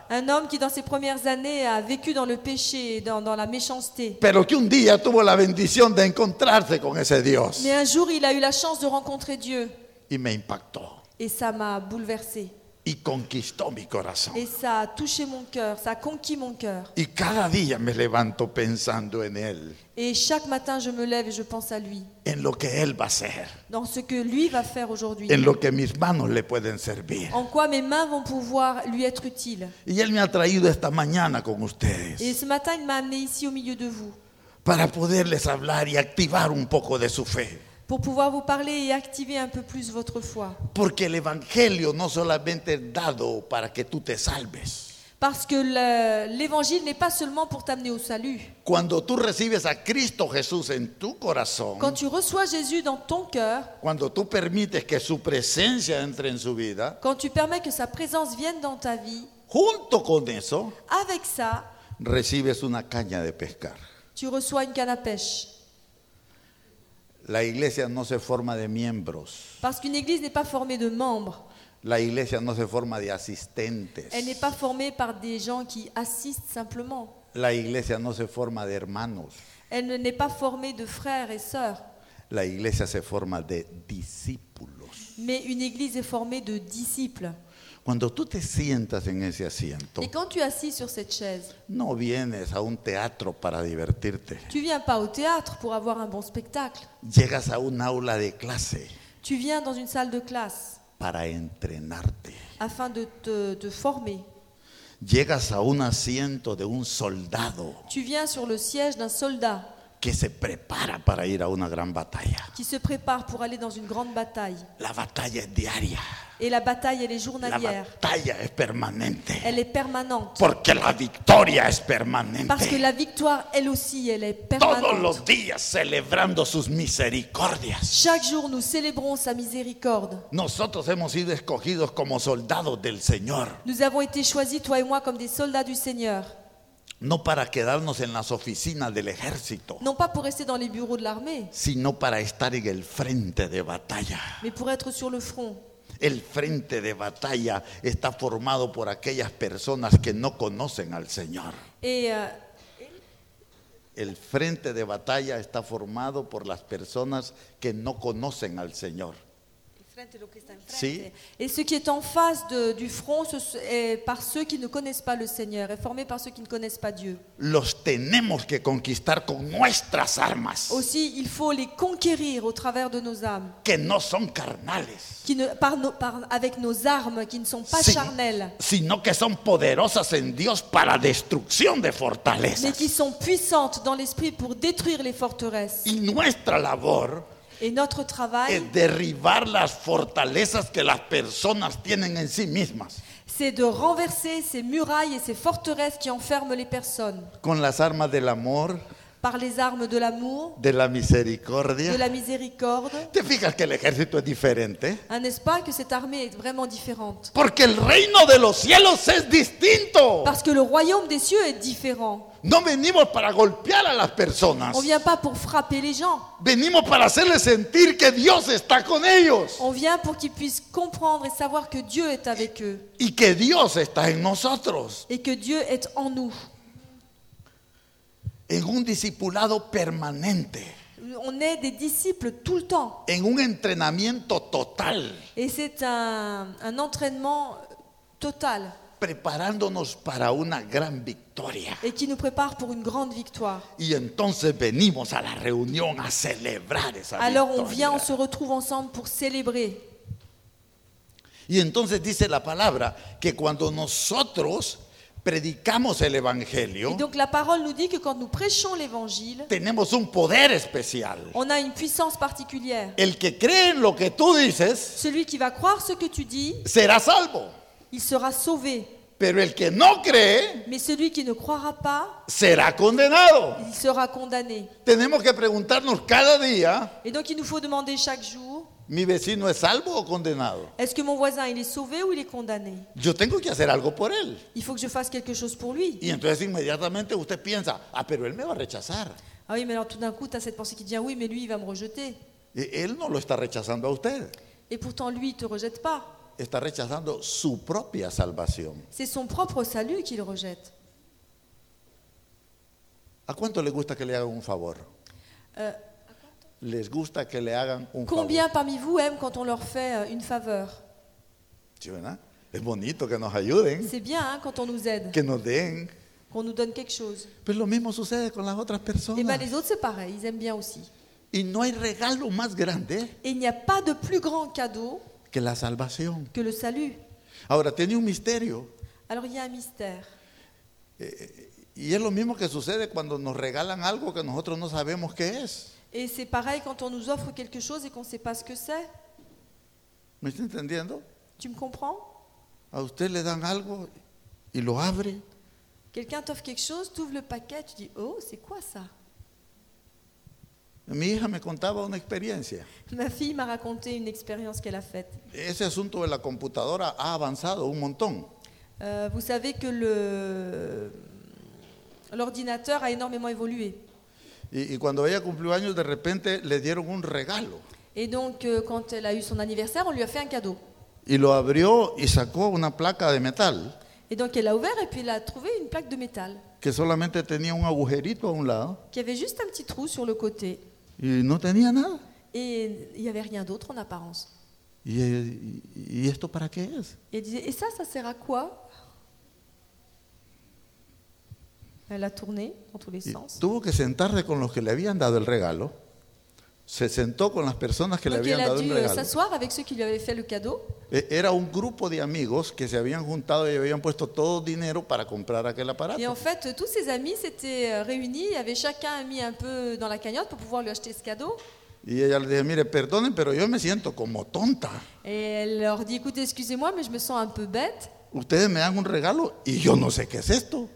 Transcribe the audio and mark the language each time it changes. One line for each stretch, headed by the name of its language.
French: Un homme qui dans ses premières années a vécu dans le péché et dans la méchanceté.
Spanish: Pero que un día tuvo la bendición de encontrarse con ese Dios.
French: Mais un jour il a eu la chance de rencontrer Dieu.
Spanish: Y me impactó.
French: Et ça m'a bouleversé.
Spanish: Y conquistó mi corazón.
French: Et ça a touché mon cœur, ça a conquis mon cœur.
Spanish: Y cada día me levanto pensando en él.
French: Et chaque matin je me lève et je pense à lui.
Spanish: En lo que él va a hacer.
French: Dans ce que lui va faire aujourd'hui.
Spanish: En lo que mis manos le pueden servir.
French: En quoi mes mains vont pouvoir lui être utiles.
Spanish: Y él me ha traído esta mañana con ustedes.
French: Et ce matin il m'a amené ici au milieu de vous.
Spanish: Para poderles hablar y activar un poco de su fe.
French: Pour pouvoir vous parler et activer un peu plus votre foi.
Spanish: Porque el evangelio no solamente es dado para que tú te salves.
French: Parce que l'évangile n'est pas seulement pour t'amener au salut.
Spanish: Cuando tú recibes a Cristo Jesús en tu corazón.
French: Quand tu reçois Jésus dans ton cœur.
Spanish: Cuando tú permites que su presencia entre en su vida.
French: Quand tu permets que sa présence vienne dans ta vie.
Spanish: Junto con eso.
French: Avec ça.
Spanish: recibes una caña de pescar.
French: Tu reçois une canne à pêche.
Spanish: La iglesia no se forma de miembros.
French: Parce qu'une église n'est pas formée de membres.
Spanish: La iglesia no se forma de asistentes.
French: Elle n'est pas formée par des gens qui assistent simplement.
Spanish: La iglesia no se forma de hermanos.
French: Elle n'est pas formée de frères et sœurs.
Spanish: La iglesia se forma de discípulos.
French: Mais une église est formée de disciples.
Spanish: Cuando tú te sientas en ese asiento.
French: Et quand tu es assis sur cette chaise.
Spanish: No vienes a un teatro para divertirte.
French: Tu viens pas au théâtre pour avoir un bon spectacle.
Spanish: Llegas a un aula de clase.
French: Tu viens dans une salle de classe.
Spanish: Para entrenarte.
French: Afin de te former.
Spanish: Llegas a un asiento de un soldado.
French: Tu viens sur le siège d'un soldat.
Spanish: Que se prepara para ir a una gran batalla.
French: Qui se prépare pour aller dans une grande bataille.
Spanish: La batalla es diaria.
French: Et la bataille, elle est journalière.
Spanish: La batalla es permanente.
French: Elle est permanente.
Spanish: Porque la victoria es permanente.
French: Parce que la victoire, elle aussi, elle est permanente.
Spanish: Todos los días celebrando sus misericordias.
French: Chaque jour, nous célébrons sa miséricorde.
Spanish: Nosotros hemos sido escogidos como soldados del Señor.
French: Nous avons été choisis, toi et moi, comme des soldats du Seigneur.
Spanish: No para quedarnos en las oficinas del ejército.
French: Non pas pour rester dans les bureaux de l'armée.
Spanish: Sino para estar en el frente de batalla.
French: Mais pour être sur le front.
Spanish: El frente de batalla está formado por aquellas personas que no conocen al Señor. El frente de batalla está formado por las personas que no conocen al Señor. Sí.
French: Et ce qui est en face du front est par ceux qui ne connaissent pas le Seigneur, est formé par ceux qui ne connaissent pas Dieu.
Spanish: Los tenemos que conquistar con nuestras armas.
French: Aussi, il faut les conquérir au travers de nos âmes.
Spanish: Que no son carnales.
French: Qui ne, avec nos armes qui ne sont pas charnelles.
Spanish: Sino que son poderosas en Dios para destrucción de fortalezas.
French: Mais qui sont puissantes dans l'esprit pour détruire les forteresses.
Spanish: Y nuestra labor.
French: Et notre travail
Spanish: es derribar las fortalezas que las personas tienen en sí mismas.
French: C'est de renverser ces murailles et ces forteresses qui enferment les personnes.
Spanish: Con las armas del amor.
French: Par les armes de l'amour.
Spanish: De la misericordia.
French: De la miséricorde.
Spanish: ¿Te fijas que el ejército es diferente?
French: Ah, n'est-ce pas que cette armée est vraiment différente?
Spanish: Porque el reino de los cielos es distinto.
French: Parce que le royaume des cieux est différent.
Spanish: No venimos para golpear a las personas.
French: On vient pas pour frapper les gens.
Spanish: Venimos para hacerles sentir que Dios está con ellos.
French: On vient pour qu'ils puissent comprendre et savoir que Dieu est avec eux.
Spanish: Y que Dios está en nosotros.
French: Et que Dieu est en nous.
Spanish: En un discipulado permanente.
French: On est des disciples tout le temps.
Spanish: En un entrenamiento total.
French: Et c'est un entraînement total.
Spanish: Preparándonos para una gran victoria.
French: Et qui nous prépare pour une grande victoire.
Spanish: Y entonces venimos a la reunión a celebrar esa victoria.
French: Alors on vient, on se retrouve ensemble pour célébrer.
Spanish: Y entonces dice la palabra que cuando nosotros predicamos el evangelio.
French: Et donc la parole nous dit que quand nous prêchons l'évangile,
Spanish: tenemos un poder especial.
French: On a une puissance particulière.
Spanish: El que cree en lo que tú dices,
French: celui qui va croire ce que tu dis,
Spanish: será salvo.
French: Il sera sauvé.
Spanish: Pero el que no cree,
French: mais celui qui ne croira pas,
Spanish: será condenado.
French: Il sera condamné.
Spanish: Tenemos que preguntarnos cada día.
French: Et donc il nous faut demander chaque jour.
Spanish: Mi vecino es salvo o condenado.
French: Est-ce que mon voisin il est sauvé ou il est condamné?
Spanish: Yo tengo que hacer algo por él.
French: Il faut que je fasse quelque chose pour lui.
Spanish: Y entonces inmediatamente usted piensa, ah, pero él me va a rechazar.
French: Ah oui, mais alors tout d'un coup tu as cette pensée qui dit ah, oui, mais lui il va me rejeter.
Spanish: Y él no lo está rechazando a usted.
French: Et pourtant lui il te rejette pas.
Spanish: Está rechazando su propia salvación.
French: C'est son propre salut qu'il rejette.
Spanish: ¿A cuánto le gusta que le hagan un favor? Les gusta que le hagan un
French: combien
Spanish: favor?
French: Parmi vous aiment quand on leur fait une faveur?
Spanish: Es bonito que nos ayuden.
French: C'est bien hein, quand on nous aide.
Spanish: Que nos den.
French: Qu'on nous donne quelque chose.
Spanish: Pero lo mismo sucede con las otras personas.
French: Et ben les autres c'est pareil, ils aiment bien aussi.
Spanish: Y no hay regalo más grande.
French: Et il n'y a pas de plus grand cadeau.
Spanish: Que la salvación.
French: Que le salut.
Spanish: Ahora tiene un misterio.
French: Alors il y a un mystère.
Spanish: Y es lo mismo que sucede cuando nos regalan algo que nosotros no sabemos qué es.
French: Et c'est pareil quand on nous offre quelque chose et qu'on ne sait pas ce que c'est.
Spanish: ¿Me estás entendiendo?
French: Tu me comprends?
Spanish: A usted le dan algo y lo abre.
French: Quelqu'un t'offre quelque chose, tu ouvres le paquet, tu dis oh, c'est quoi ça?
Spanish: Mi hija me contaba una experiencia.
French: Ma fille m'a raconté une expérience qu'elle a faite.
Spanish: Ese asunto de la computadora ha avanzado un montón.
French: Vous savez que le L'ordinateur a énormément évolué.
Spanish: Y cuando ella cumplió años, de repente le dieron un regalo.
French: Et donc quand elle a eu son anniversaire, on lui a fait un cadeau.
Spanish: Y lo abrió y sacó una placa de metal.
French: Et donc elle a ouvert et puis elle a trouvé une plaque de métal.
Spanish: Que solamente tenía un agujerito a un lado.
French: Qui avait juste un petit trou sur le côté.
Spanish: Y no tenía nada.
French: Et il y avait rien d'autre en apparence.
Spanish: Y esto para qué es?
French: Et elle disait, et ça sert à quoi? Elle a tourné dans tous les sens.
Spanish: Y tuvo que sentarse con los que le habían dado el regalo. Se sentó con las personas que
French: donc
Spanish: le habían dado el regalo.
French: Elle a dû s'asseoir avec ceux qui lui avaient fait le cadeau.
Spanish: Era un grupo de amigos que se habían juntado y habían puesto todo dinero para comprar aquel aparato.
French: Et en fait, tous ses amis s'étaient réunis, avaient chacun mis un peu dans la cagnotte pour pouvoir lui acheter ce cadeau.
Spanish: Y ella le dijo, mire, perdonen, pero yo me siento como tonta.
French: Et elle leur dit, écoutez, excusez-moi, mais je me sens un peu bête.
Spanish: Ustedes me dan un regalo y yo no sé qué es esto.